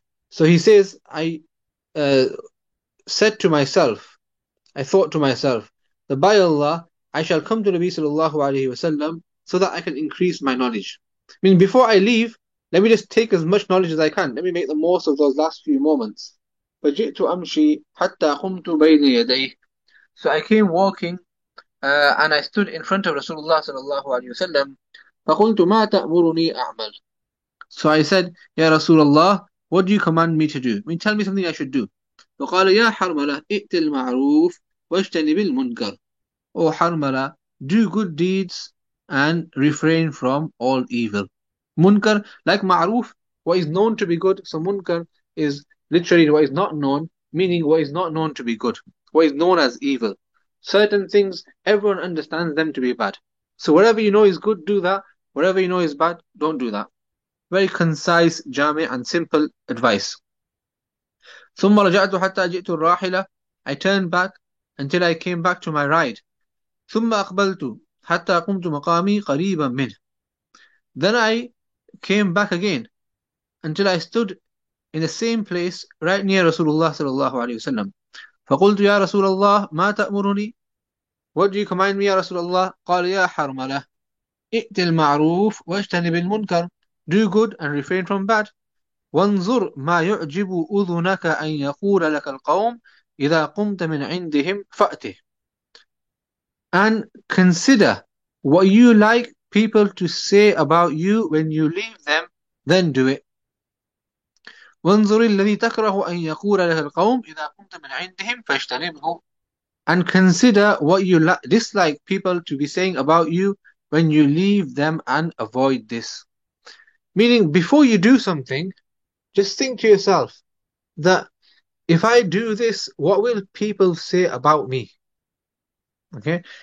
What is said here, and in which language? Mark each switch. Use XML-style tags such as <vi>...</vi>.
<en>So he says, I thought to myself that by Allah I shall come to Nabi صلى الله عليه وسلم so that I can increase my knowledge. I mean, before I leave, let me just take as much knowledge as I can. Let me make the most of those last few moments.</en> <ar>فجئت أمشي حتى قمت بين يديه.</ar> <en>So I came walking and I stood in front of Rasulullah sallallahu alayhi wa sallam.</en> <ar>فَقُلْتُ مَا تَأْمُرُنِي أَعْمَلُ</ar> <en>So I said, Ya Rasulullah, what do you command me to do? I mean, tell me something I should do.</en> <ar>فَقَالَ يَا حَرْمَلَ اِئْتِ الْمَعْرُوفِ وَاجْتَنِبِ الْمُنْكَرِ</ar> <en>O Harmala, do good deeds and refrain from all evil. Munkar, like ma'roof, what is known to be good. So munkar is literally what is not known, meaning what is not known to be good, what is known as evil. Certain things, everyone understands them to be bad. So whatever you know is good, do that. Whatever you know is bad, don't do that. Very concise, jami and simple advice.</en> <ar>ثُمَّ رَجَعْتُ حَتَّى جِئْتُ الرَّاحِلَةِ</ar> <en>I turned back until I came back to my ride.</en> <ar>ثُمَّ أَقْبَلْتُ حَتَّى قُمْتُ مَقَامِي قَرِيبًا مِنْهُ.</ar> <en>Then I came back again until I stood in the same place right near Rasulullah sallallahu alayhi wasallam.</en> <ar>فَقُلْتُ يَا رَسُولَ اللَّهِ مَا تَأْمُرُنِي؟</ar> <en>What do you command me,</en> <ar>يا رسول الله؟ قال يا حرملة ائت المعروف واجتنب المنكر.</ar> <en>Do good and refrain from bad.</en> <ar>وانظر ما يعجب أذنك أن يقول لك القوم إذا قمت من عندهم فأته.</ar> <en>And consider what you like people to say about you when you leave them, then do it.</en> <ar>وانظر الذي تكره أن يقول لك القوم إذا قمت من عندهم فاجتنبه.</ar> <en>And consider what you dislike people to be saying about you when you leave them and avoid this. Meaning, before you do something, just think to yourself that if I do this, what will people say about me? Okay?</en>